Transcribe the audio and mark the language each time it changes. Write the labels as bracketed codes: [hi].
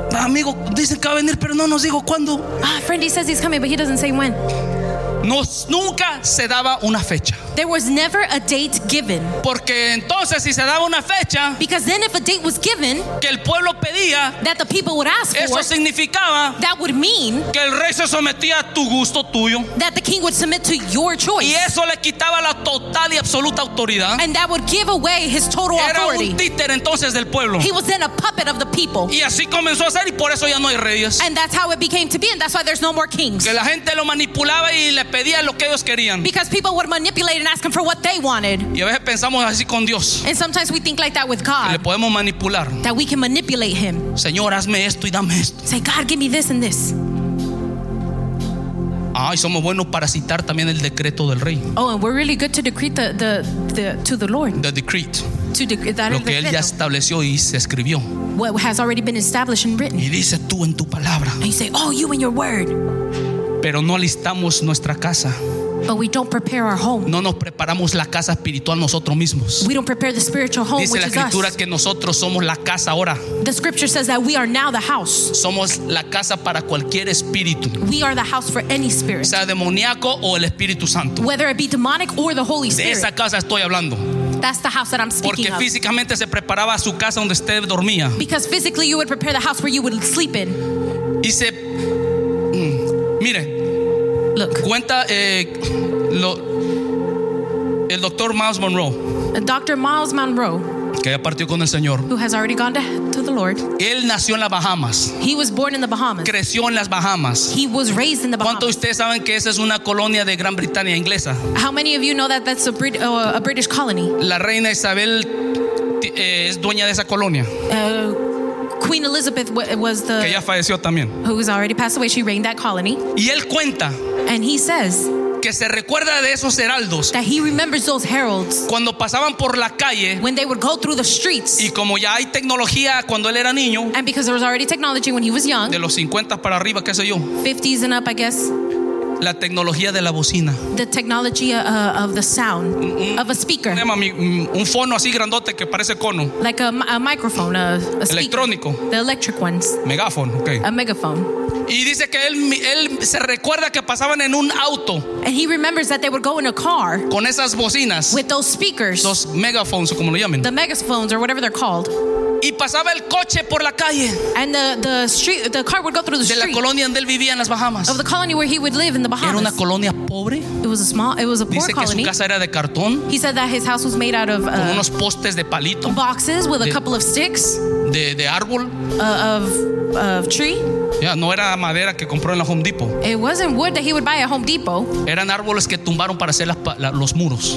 [es] Amigo, dicen que va a venir, pero no nos digo cuándo. [en] Friend, he says he's coming, but he doesn't say when. [es] Nos, nunca se daba una fecha. [en] There was never a date given. [es] Porque entonces si se daba una fecha, [en] because then if a date was given, [es] que el pueblo pedía, [en] that the people would ask [es] eso [en] for, [es] significaba, [en] that would mean, [es] que el rey se sometía a tu gusto tuyo, [en] that the king would submit to your choice. [es] Y eso le quitaba la total y absoluta autoridad. [en] And that would give away his total [es] era [en] authority. [es] Era un títer entonces del pueblo. [en] He was then a puppet of the people. [es] Y así comenzó a ser y por eso ya no hay reyes. [en] And that's how it became to be, and that's why there's no more kings. [es] Que la gente lo manipulaba y le pedía lo que ellos querían. [en] Because people would manipulate and ask him for what they wanted. [es] Y a veces pensamos así con Dios. [en] And sometimes we think like that with God. [es] Que le podemos manipular. [en] That we can manipulate him. [es] Señor, hazme esto y dame esto. [en] Say, God, give me this and this. [es] Ah, y somos buenos para citar también el decreto del rey. [en] Oh, and we're really good to decree to the Lord. The decree. To that [es] lo que él ya estableció y se escribió. [en] What has already been established and written. [es] Y dice tú en tu palabra. [en] And you say, oh, you in your word. [es] Pero no alistamos nuestra casa. [en] But we don't prepare our home. [es] No nos preparamos la casa espiritual nosotros mismos. [en] We don't prepare the spiritual home, [es] dice [en] which [es] la escritura [en] is us. [es] Que nosotros somos la casa ahora. [en] The scripture says that we are now the house. [es] Somos la casa para cualquier espíritu. [en] We are the house for any spirit. [es] Sea demoníaco o el Espíritu Santo. [en] Whether it be demonic or the Holy Spirit. [es] De esa casa estoy hablando. [en] That's the house that I'm speaking [es] porque [en] of. [es] Porque físicamente se preparaba su casa donde usted dormía. [en] Because physically you would prepare the house where you would sleep in. [es] Y se mire. [en] Look. [es] Cuenta el doctor Miles Monroe. [en] Dr. Miles Monroe, [es] que ya partió con el Señor, [en] who has already gone to the Lord. [es] Él nació en las Bahamas. [en] He was born in the Bahamas. [es] Creció en las Bahamas. [en] He was raised in the Bahamas. [es] ¿Cuántos de ustedes saben que esa es una colonia de Gran Bretaña inglesa? [en] How many of you know that that's a British colony? [es] La reina Isabel es dueña de esa colonia. [en] Queen Elizabeth was the [es] que ya falleció también. [en] Who has already passed away. She reigned that colony. [es] Y él cuenta. [en] And he says [es] que se recuerda de esos heraldos, [en] that he remembers those heralds [es] cuando pasaban por la calle, [en] when they would go through the streets. [es] Y como ya hay tecnología cuando él era niño, [en] and because there was already technology when he was young, [es] de los 50 para arriba, qué sé yo, [en] 50s and up, I guess, [es] la tecnología de la bocina, [en] the technology of the sound of a speaker, [es] un fono así grandote que parece cono, [en] like a microphone, a speaker, [es] electrónico, [en] the electric ones, [es] megáfono, okay, [en] a megaphone. [es] Y dice que él se recuerda que pasaban en un auto. [en] And he remembers that they would go in a car. [es] Con esas bocinas. [en] With those speakers. [es] Los megaphones, o como lo llamen. [en] The megaphones, or whatever they're called. [es] Y pasaba el coche por la calle. [en] And the street, the car would go through the street. [es] De la colonia donde él vivía en las Bahamas. [en] Of the colony where he would live in the Bahamas. [es] Era una colonia pobre. [en] It was a poor [es] colony. Dice que su casa era de cartón. [en] He said that his house was made out of [es] con unos postes de palito. [en] Boxes with a couple of sticks. [es] De árbol. [en] Of tree. [es] Yeah, no era madera que compró en la Home Depot. [en] It wasn't wood that he would buy at Home Depot. [es] Eran árboles que tumbaron para hacer los muros.